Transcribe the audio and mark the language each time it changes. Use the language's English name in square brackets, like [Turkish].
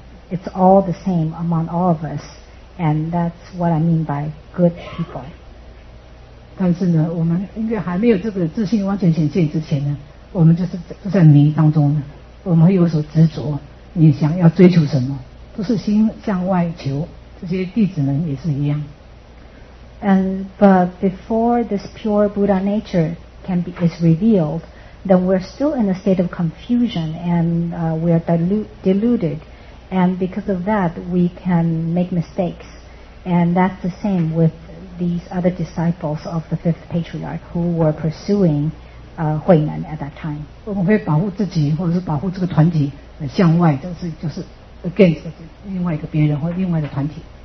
[English] It's all the same among all of us, and that's what I mean by good people. [Chinese] 但是呢，我们应该还没有这个自信完全显现之前呢。我们就在迷当中呢，我们会有所执着，你想要追求什么，都是心向外求。这些弟子们也是一样。 [English] And but before this pure Buddha nature is revealed, then we're still in a state of confusion and we are deluded, and because of that, we can make mistakes. And that's the same with these other disciples of the fifth patriarch who were pursuing. 慧能 at that time. [Chinese] 我们会保护自己或者是保护这个团体向外就是 [English] against [Chinese] 另外一个别人或另外的团体。